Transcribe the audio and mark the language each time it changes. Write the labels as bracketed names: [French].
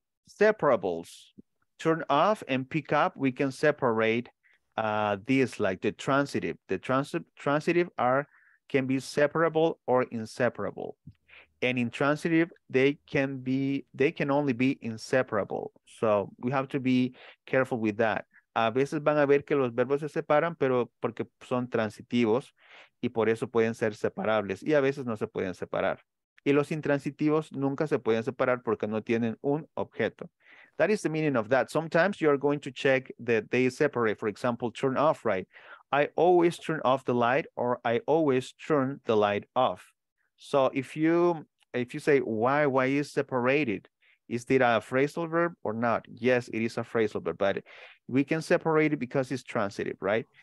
[English] Separables. Turn off and pick up. We can separate these, like the transitive. The transitive can be separable or inseparable. And intransitive, they can only be inseparable. So we have to be careful with that. [Spanish] A veces van a ver que los verbos se separan, pero porque son transitivos y por eso pueden ser separables. Y a veces no se pueden separar. Y los intransitivos nunca se pueden separar porque no tienen un objeto. [English] That is the meaning of that. Sometimes you are going to check that they separate. For example, turn off, right? I always turn off the light or I always turn the light off. So if you say, why is separated? Is it a phrasal verb or not? Yes, it is a phrasal verb, but we can separate it because it's transitive, right?